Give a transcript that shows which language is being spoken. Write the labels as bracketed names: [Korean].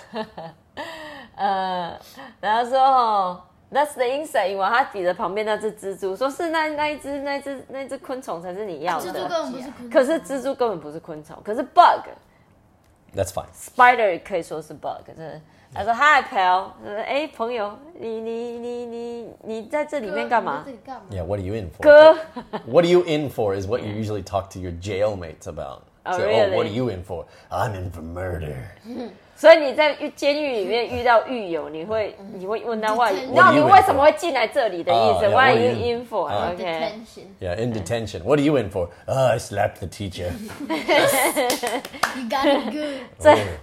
[Chinese] 另外。然后说哦 ， [English] That's the insect you want， [Chinese] 他指着旁边那只蜘蛛，说是那只昆虫才是你要的，蜘蛛根本不是昆虫，可是蜘蛛根本不是昆虫，可是 bug。 [English] That's fine。 [Chinese] Spider 可以说是 bug， 是。他说 ： [English] “Hi, pal。” [Chinese] 哎，朋友，你在这里面干嘛 [English] ？Yeah, what are you in for? [Chinese] 哥 [English] ，What are you in for? Is what you usually talk to your jailmates about. Oh, really? Oh, what are you in for? I'm in for murder. [Chinese] 所以你在监狱里面遇到狱友，你会问他 why？那你为什么会进来这里的意思 ？ [English] What are you in for? [Chinese] Okay. [English] Yeah, in detention. What are you in for? I slapped the teacher. You got it good.